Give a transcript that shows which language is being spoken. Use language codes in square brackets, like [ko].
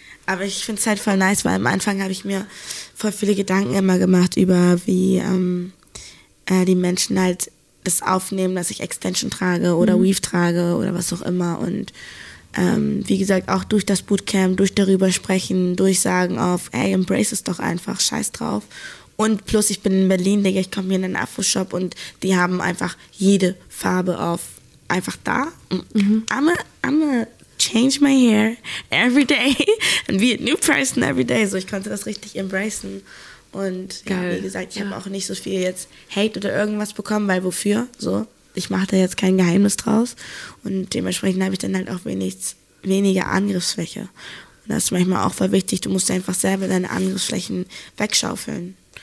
[de] Aber ich finde es halt voll nice, weil am Anfang habe ich mir voll viele Gedanken immer gemacht über wie die Menschen halt das aufnehmen, dass ich Extension trage oder Weave trage oder was auch immer. Und wie gesagt, auch durch das Bootcamp, durch darüber sprechen, durchsagen auf, ey, embrace es doch einfach, scheiß drauf. Und plus, ich bin in Berlin, denke ich, komme hier in einen Afro-Shop und die haben einfach jede Farbe auf, einfach da. Mhm. [en] I'm a change my hair every day and be a new person every day. [de] So, ich konnte das richtig embracen. Und ja, wie gesagt, ich habe auch nicht so viel jetzt Hate oder irgendwas bekommen, weil wofür? So, ich mache da jetzt kein Geheimnis draus. Und dementsprechend habe ich dann halt auch weniger Angriffsfläche. Und das ist manchmal auch voll wichtig. Du musst einfach selber deine Angriffsflächen wegschaufeln.